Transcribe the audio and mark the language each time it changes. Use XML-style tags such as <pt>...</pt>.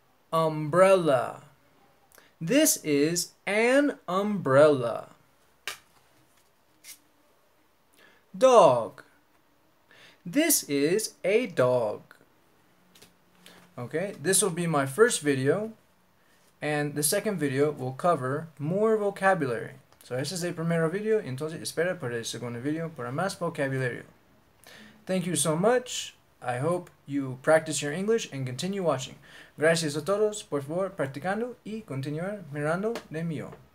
<en>Umbrella. This is an umbrella. Dog. This is a dog. Okay, this will be my first video, and the second video will cover more vocabulary.</en> <es>So este es el primer video, entonces espera para el segundo video para más vocabulario.</es> <en>Thank you so much. I hope you practice your English and continue watching.</en> <es>Gracias a todos, por favor, practicando y continuar mirando de mío.</es>